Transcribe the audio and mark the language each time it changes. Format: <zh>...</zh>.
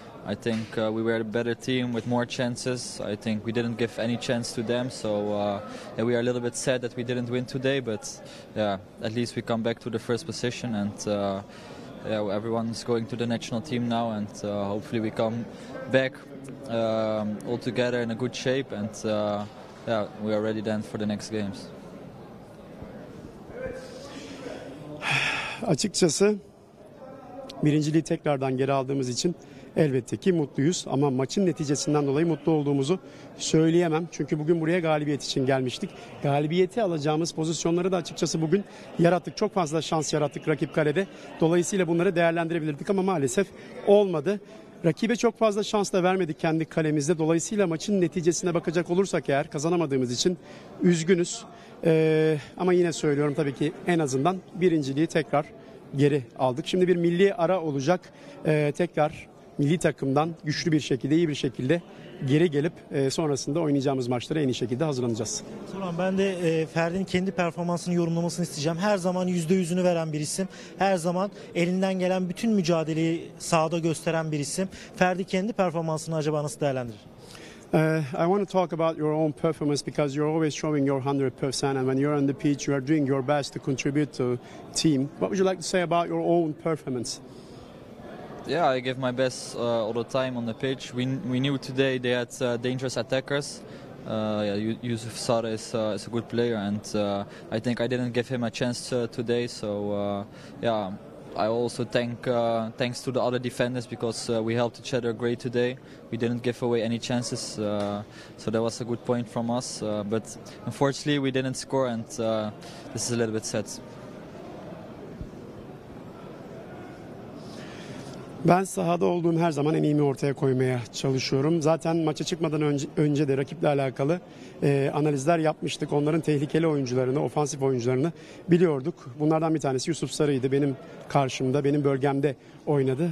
<en>I think we were a better team with more chances. I think we didn't give any chance to them, so we are a little bit sad that we didn't win today, but yeah, at least we come back to the first position, and yeah, everyone's going to the national team now, and hopefully we come back all together in a good shape, and yeah, we are ready then for the next games.</en> <tr>Açıkçası birinciliği tekrardan geri aldığımız için elbette ki mutluyuz ama maçın neticesinden dolayı mutlu olduğumuzu söyleyemem. Çünkü bugün buraya galibiyet için gelmiştik. Galibiyeti alacağımız pozisyonları da açıkçası bugün yarattık. Çok fazla şans yarattık rakip kalede. Dolayısıyla bunları değerlendirebilirdik ama maalesef olmadı. Rakibe çok fazla şans da vermedik kendi kalemizde. Dolayısıyla maçın neticesine bakacak olursak eğer kazanamadığımız için üzgünüz. Ama yine söylüyorum, tabii ki en azından birinciliği tekrar geri aldık. Şimdi bir milli ara olacak. Tekrar milli takımdan güçlü bir şekilde, iyi bir şekilde geri gelip sonrasında oynayacağımız maçlara en iyi şekilde hazırlanacağız. Turan, ben de Ferdi'nin kendi performansını yorumlamasını isteyeceğim. Her zaman %100'ünü veren bir isim. Her zaman elinden gelen bütün mücadeleyi sahada gösteren bir isim. Ferdi kendi performansını acaba nasıl değerlendirir?</tr> <en>I want to talk about your own performance because you're always showing your 100% and when you're on the pitch you are doing your best to contribute to team. What would you like to say about your own performance? Yeah, I give my best all the time on the pitch. We knew today they had dangerous attackers. Yeah, Yusuf Sarr is a good player, and I think I didn't give him a chance today. So yeah, I also thanks to the other defenders because we helped each other great today. We didn't give away any chances, so that was a good point from us. But unfortunately, we didn't score, and this is a little bit sad.</en> <tr>Ben sahada olduğum her zaman en iyimi ortaya koymaya çalışıyorum. Zaten maça çıkmadan önce de rakiple alakalı analizler yapmıştık. Onların tehlikeli oyuncularını, ofansif oyuncularını biliyorduk. Bunlardan bir tanesi Yusuf Sarı'ydı. Benim karşımda, benim bölgemde oynadı.</tr>